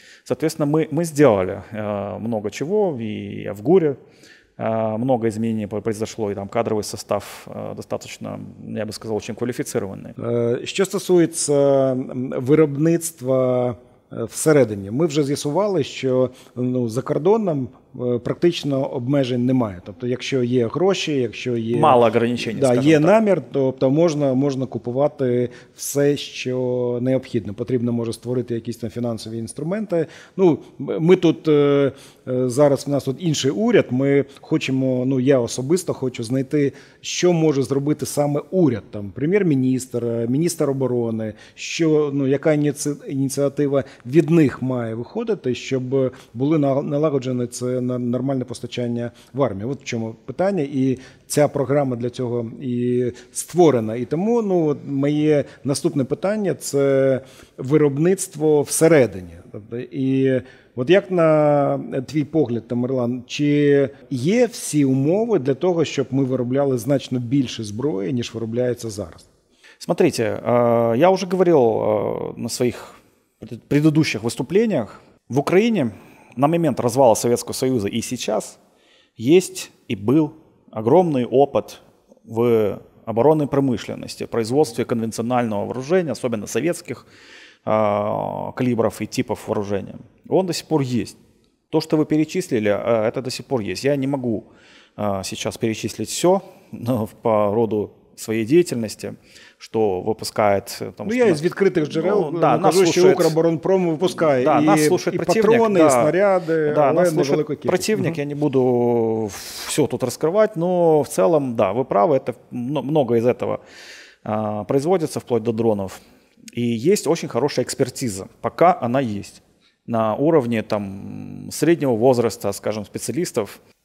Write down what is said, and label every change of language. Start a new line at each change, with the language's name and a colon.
Russian: Соответственно, мы сделали много чего, и в ГУРе много изменений произошло, и там кадровый состав достаточно, я бы сказал, очень квалифицированный. Что касается производства
Ukrainian: всередині. Ми вже з'ясували, що ну, за кордоном практично обмежень немає. Тобто, якщо є гроші, якщо є...
Russian: Мало ограничень,
Ukrainian: да, скажімо є так. Намір, тобто можна купувати все, що необхідно. Потрібно, може, створити якісь там фінансові інструменти. Ну, ми тут зараз, в нас тут інший уряд, ми хочемо, ну, я особисто хочу знайти, що може зробити саме уряд. Там, прем'єр-міністр, міністр оборони, що, ну, яка ініціатива від них має виходити, щоб були налагоджені це нормальне постачання в армію. От в чому питання. І ця програма для цього і створена. І тому моє наступне питання – це виробництво всередині. І от як на твій погляд, Тамерлан, чи є всі умови для того, щоб ми виробляли значно більше зброї, ніж виробляється зараз?
Russian: Смотрите, я уже говорил на своих предыдущих выступлениях. В Украине на момент развала Советского Союза и сейчас есть и был огромный опыт в оборонной промышленности, в производстве конвенционального вооружения, особенно советских калибров и типов вооружения. Он до сих пор есть. То, что вы перечислили, это до сих пор есть. Я не могу сейчас перечислить все по роду своей деятельности, что выпускает...
Ukrainian: Там, я из відкритих джерел кажу, що Укроборонпром выпускає нас противник, патрони, і снаряди, але не велику кількість.
Russian: Противник,
Ukrainian: я не буду все тут розкривати,
Russian: но в целом, да, ви правы, это много из этого производится, вплоть до дронов. И есть очень хорошая экспертиза, пока она есть, на уровне там, среднего возраста, скажем, специалистов.